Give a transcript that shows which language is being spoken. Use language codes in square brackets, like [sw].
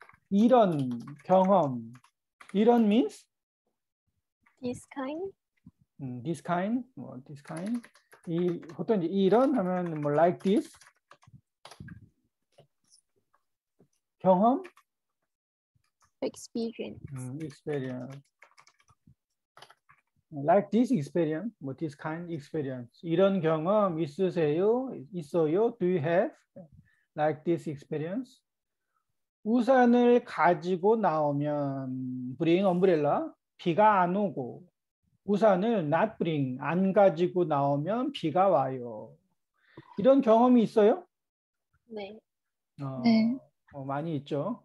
[ko] 이런 경험, 이런 means [en] this kind, [ko] this kind, 뭐 this kind, 이 보통 이제 이런 하면 뭐 like this 경험, [en] experience, experience, like this experience, 뭐 this kind experience, [ko] 이런 경험 있으세요? 있어요? [en] Do you have like this experience? [ko] 우산을 가지고 나오면 [en] bring umbrella [ko] 비가 안 오고 우산을 [en] not bring [ko] 안 가지고 나오면 비가 와요. 이런 경험이 있어요? 네. 네. 많이 있죠.